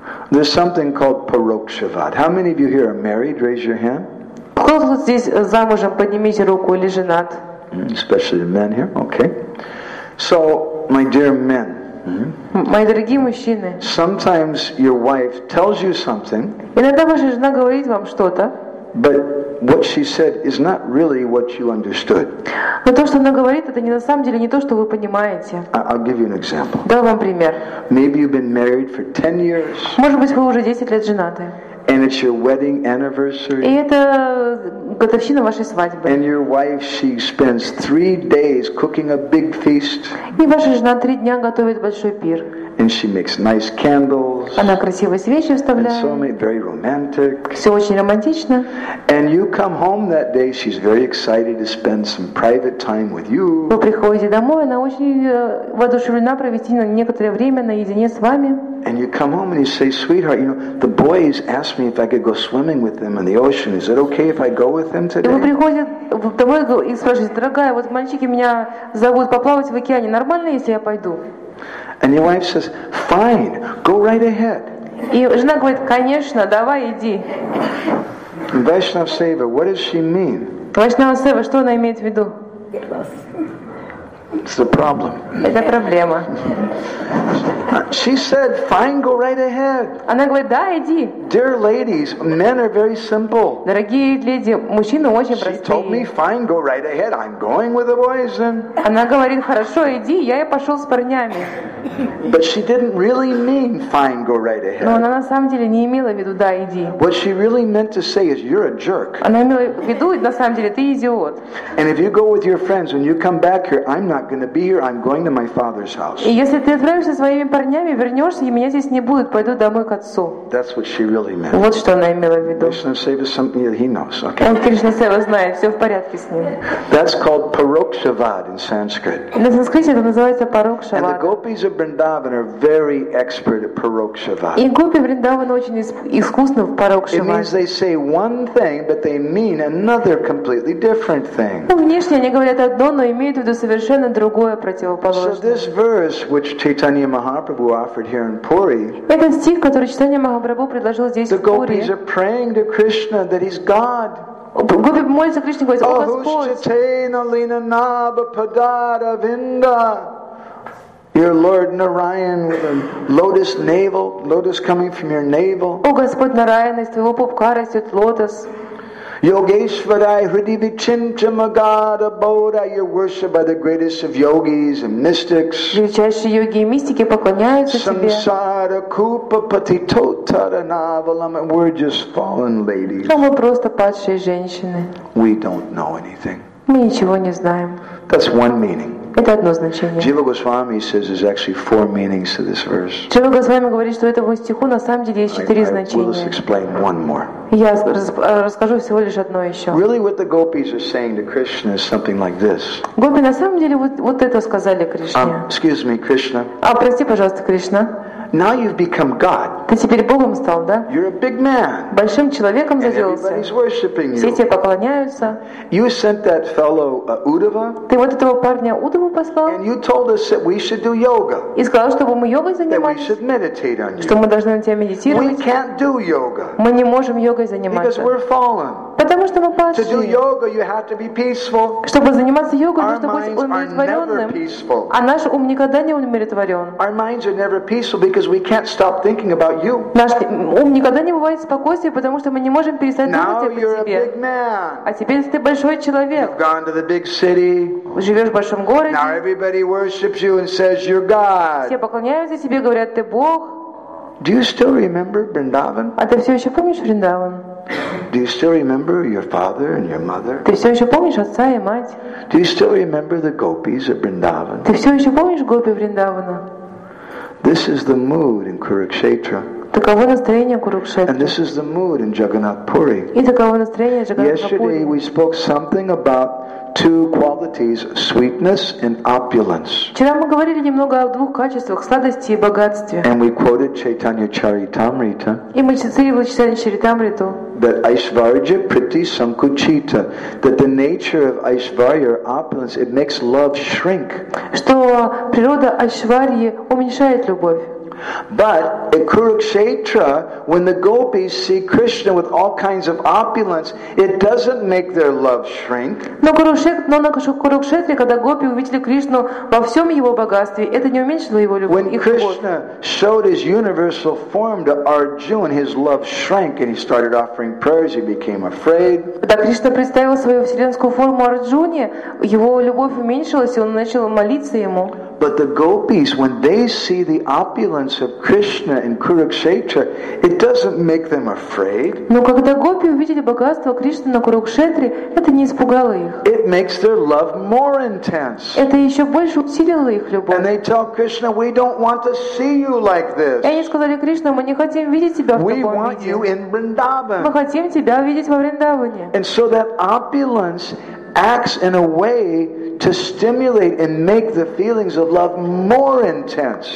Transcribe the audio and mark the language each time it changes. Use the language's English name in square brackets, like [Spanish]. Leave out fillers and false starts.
[English] There's something called parokshavad. How many of you here are married? Raise your hand. [Russian] Кто тут здесь замужем? Поднимите руку или женат. [English] Especially the men here. Okay. So, my dear men. [Russian] Мои дорогие мужчины. [English] Sometimes your wife tells you something. [Russian] Иногда ваша жена говорит вам что-то. [English] But what she said is not really what you understood. [Russian] Но то, что она говорит, это не на самом деле не то, что вы понимаете. [English] I'll give you an example. [Russian] Дам вам пример. [English] Maybe you've been married for 10 years. [Russian] Может быть, вы уже 10 лет женаты. [English] And it's your wedding anniversary. [Russian] И это годовщина вашей свадьбы. [English] And your wife, she spends 3 days cooking a big feast. [Russian] И ваша жена 3 дня готовит большой пир. [English] And she makes nice candles. [Russian] Она красивые свечи вставляет. [English] So many, very romantic. [Russian] Все очень романтично. [English] And you come home that day, she's very excited to spend some private time with you. [Russian] Вы приходите домой, она очень воодушевлена провести некоторое время наедине с вами. [English] And you come home and you say, "Sweetheart, you know, the boys asked me if I could go swimming with them in the ocean. Is it okay if I go with them today?" [Russian] И вы приходите домой и спрашиваете: "Дорогая, вот мальчики меня зовут поплавать в океане. Нормально, если я пойду?" [English] And your wife says, "Fine, go right ahead." [Russian] И жена говорит: "Конечно, давай иди." [English] Vaishnava Seva, what does she mean? [Russian] Vaishnava Seva, что она имеет в виду? [English] It's the problem. [Russian] Это проблема. [English] She said, "Fine, go right ahead." [Russian] Она говорит: "Да, иди." [English] Dear ladies, men are very simple. [Russian] Дорогие леди, мужчины очень простые. [English] She told me, "Fine, go right ahead. I'm going with the boys." Then. [Russian] Она говорит: "Хорошо, иди. Я и пошел с парнями." [English] But she didn't really mean, "Fine, go right ahead." [Russian] Но она на самом деле не имела в виду: "Да, иди." [English] What she really meant to say is, "You're a jerk." [Russian] Она имела в виду, на самом деле, ты идиот. [English] And if you go with your friends and you come back here, I'm not going to be here. I'm going to my father's house. [Russian] И если ты отправишься со своими парнями, вернешься, и меня здесь не будет, пойду домой к отцу. [English] That's what she really meant. [Russian] Вот что она имела в виду. [English] Krishna Seva, something that he knows. Okay. [Russian] Он Кришна Сева знает, все в порядке с ним. [English] That's called parokshavad in Sanskrit. [Russian] На санскрите это называется парокшавад. [English] And the gopis of Vrindavan are very expert at parокшавад. [Russian] И гопи Вриндавана очень искусны в парокшавад. [English] It means they say one thing, but they mean another completely different thing. [Russian] Ну, внешне они говорят одно, но имеют в виду совершенно другое, противоположное. [English] So this verse, which Chaitanya Mahaprabhu offered here in Puri, [Russian] этот стих, который Чайтанья Махапрабху предложил здесь в Пури, [English] the gopis are praying to Krishna that he's God. [Russian] Гопи молятся Кришне, говорят: "О, Господь!" [Sanskrit] Ahushtitena lina naba padada vinda. [English] Your Lord Narayan with a lotus navel, lotus coming from your navel. [Russian] О Господь Нараяна, из твоего пупка растет лотос. [Sanskrit] Yogeshwarai hridivichincha magada bodha, [English] your worship by the greatest of yogis and mystics. [Russian] Величайшие йоги и мистики поклоняются тебе. [Sanskrit] Samsara kupa patitotara navalam, [English] we're just fallen ladies. [Russian] Мы просто падшие женщины. [English] We don't know anything. [Russian] Мы ничего не знаем. [English] That's one meaning. [Russian] Это одно значение. [English] Jiva Goswami says there's actually 4 meanings to this verse. [Russian] Jiva Goswami говорит, что этому стиху на самом деле есть 4 значения. [English] I will explain one more. [Russian] Я расскажу всего лишь одно еще. [English] Really, what the gopis are saying to Krishna is something like this. [Russian] Гопи на самом деле вот это сказали Кришне. [English] Excuse me, Krishna. [Russian] А прости, пожалуйста, Кришна. [English] Now you've become God. [Russian] Ты теперь Богом стал, да? [English] You're a big man. [Russian] Большим человеком заделался. [English] And everybody's worshiping you. [Russian] Все тебе поклоняются. [English] You sent that fellow Uddhava. [Russian] Ты вот этого парня Уддхаву послал. [English] And you told us that we should do yoga. [Russian] И сказал, чтобы мы йогой занимались. [English] That we should meditate on you. [Russian] Что мы должны на тебя медитировать. [English] We can't do yoga. [Russian] Мы не можем йогой заниматься. [English] Because we're fallen. [Russian] Потому что мы падшие. [English] To do yoga, you have to be peaceful. [Russian] Чтобы заниматься йогой, нужно быть умиротворенным. А наш ум никогда не умиротворен. [English] Our minds are never peaceful because we can't stop thinking about you. [Russian] Наш ум никогда не бывает спокойствия, потому что мы не можем перестать думать о тебе. [English] Now you're a big man. [Russian] А теперь ты большой человек. [English] You've gone to the big city. [Russian] Живешь в большом городе. [English] Now everybody worships you and says you're God. [Russian] Все поклоняются тебе, говорят, ты Бог. [English] Do you still remember Vrindavan? [Russian] А ты все еще помнишь Вриндаван? [English] Do you still remember your father and your mother? [Russian] Ты все еще помнишь отца и мать? [English] Do you still remember the gopis of Vrindavan? [Russian] Ты все еще помнишь гопи Вриндавана? [English] This is the mood in Kurukshetra. [Russian] Таково настроение Курукшетры. [English] And this is the mood in Jagannath Puri. [Russian] И таково настроение Jagannath Puri. [English] Yesterday we spoke something about 2 qualities, sweetness and opulence. [Russian] Вчера мы говорили немного о двух качествах, сладости и богатстве. [English] And we quoted Chaitanya Charitamrita. [Russian] И мы цитировали Чайтанья Чаритамриту. [English] That [Sanskrit] Aishvarya Priti Sankuchita, [English] that the nature of Aishvarya, opulence, it makes love shrink. [Russian] Что природа Айшварьи уменьшает любовь. [English] But at Kurukshetra, when the gopis see Krishna with all kinds of opulence, it doesn't make their love shrink. [Russian] Но на Курукшетре, когда гопи увидели Кришну во всем его богатстве, это не уменьшило его любовь. [English] When Krishna showed his universal form to Arjuna, his love shrank and he started offering prayers. He became afraid. [Russian] Когда Кришна представил свою вселенскую форму Арджуне, его любовь уменьшилась, и он начал молиться ему. [English] But the gopis, when they see the opulence of Krishna in Kurukshetra, it doesn't make them afraid. [Russian] Но когда гопи увидели богатство Кришны на Курукшетре, это не испугало их. [English] It makes their love more intense. [Russian] Это еще больше усилило их любовь. [English] And they tell Krishna, we don't want to see you like this. [Russian] И они сказали Кришне, мы не хотим видеть тебя в таком виде. [English] We want you in Vrindavan. [Russian] Мы хотим тебя видеть во Вриндаване. [English] And so that opulence acts in a way to stimulate and make the feelings of love more intense.